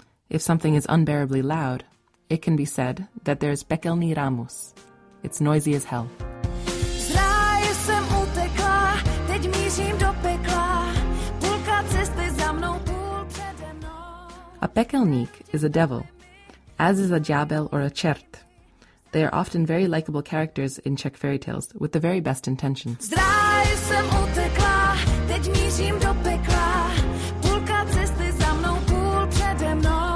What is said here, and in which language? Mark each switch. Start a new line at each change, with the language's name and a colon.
English: If something is unbearably loud, it can be said that there is
Czech: pekelný rámus.
English: It's noisy as hell.
Czech: Zdráje jsem utekla, teď mířím do pekla, půlka cesty za mnou, půl přede mnou.
English: A pekelník is a devil, as is a ďábel or a čert. They are often very likable characters in Czech fairy tales with the very best intentions.
Czech: Zdráje jsem utekla, teď mířím do pekla, půlka cesty za mnou, půl přede mnou.